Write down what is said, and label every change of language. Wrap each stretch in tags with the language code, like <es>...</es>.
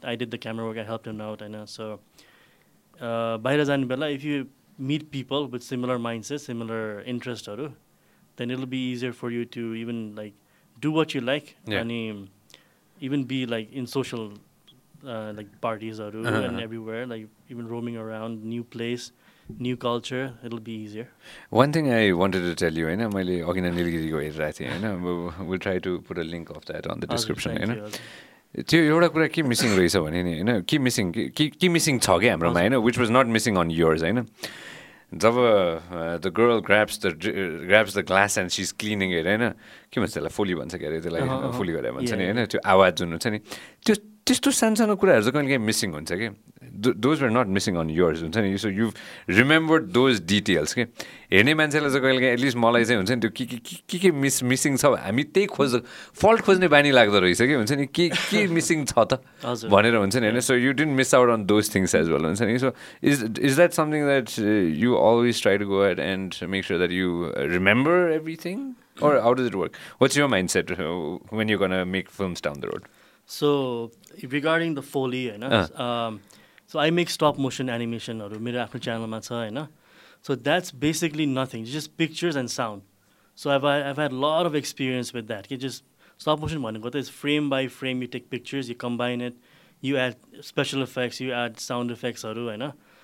<en>I did the camera work. I helped him out. So</en> <ne>bahira jane bela,</ne> <en>if you meet people with similar mindsets, similar interests, then it'll be easier for you to even like do what you like. Yeah. And even be like in social like parties or and everywhere like even roaming around new place new culture it'll be easier one thing I wanted to tell you</en> <ne>haina maile agina niligiri go hera thi haina</ne> <en>we'll try to put a link of that on the description</en> <ne>haina त्यो एउटा कुरा के missing रहेछ भने नि होइन के missing छ क्या हाम्रोमा होइन</ne> <en>which was not missing on yours</en> <ne>होइन</ne> <en>जब the girl grabs the glass and she is cleaning</en> <ne>हेरेर होइन के भन्छ त्यसलाई फोली भन्छ क्या अरे त्यसलाई फोली गरेर भन्छ नि होइन त्यो आवाज जुन हुन्छ नि त्यो त्यस्तो सानसानो कुराहरू चाहिँ कहिले काहीँ मिसिङ हुन्छ कि</ne> <en>those are not missing on yours</en> <ne>हुन्छ नि</ne> <en>so you remembered those details</en> <ne>के हेर्ने मान्छेलाई चाहिँ कहिले काहीँ एटलिस्ट मलाई चाहिँ हुन्छ नि त्यो के मिसिङ छ हामी त्यही खोज फल्ट खोज्ने बानी लाग्दो रहेछ कि हुन्छ नि के मिसिङ छ त भनेर हुन्छ नि होइन</ne> <en>So you didn't miss out on those things as well हुन्छ नि so is that something that you always try to go at and make sure that you remember everything or how does it work what's your mindset when you gonna make films down the road So regarding the Foley, you know, so I make stop motion animation or my own channel, you know, so that's basically nothing. It's just pictures and sound. So I've had a lot of experience with that. You just stop motion, it's frame by frame. You take pictures, you combine it, you add special effects, you add sound effects. You know?</en>